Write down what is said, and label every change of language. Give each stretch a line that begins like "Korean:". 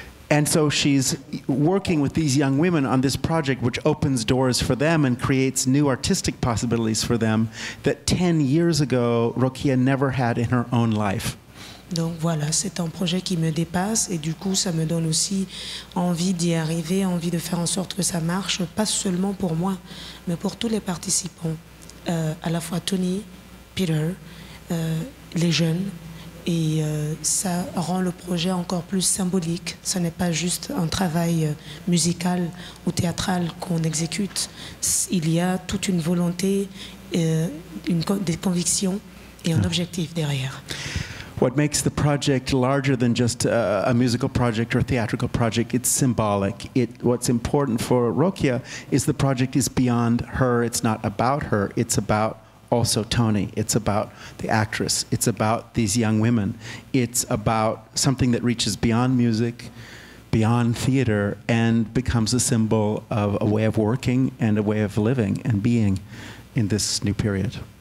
English: And so she's working with these young women on this project, which opens doors for them and creates new artistic possibilities for them that 10 years ago, Rokia never had in her own life.
French: Donc voilà, c'est un projet qui me dépasse et du coup, ça me donne aussi envie d'y arriver, envie de faire en sorte que ça marche, pas seulement pour moi, mais pour tous les participants, à la fois Toni, Peter, les jeunes. Et ça rend le projet encore plus symbolique. Ce n'est pas juste un travail musical ou théâtral qu'on exécute. Il y a toute une volonté, des convictions et un objectif derrière.
English: What makes the project larger than just a musical project or a theatrical project, it's symbolic. What's important for Rokia is the project is beyond her. It's not about her. It's about also Toni, it's about the actress, it's about these young women, it's about something that reaches beyond music, beyond theater, and becomes a symbol of a way of working and a way of living and being in this new period.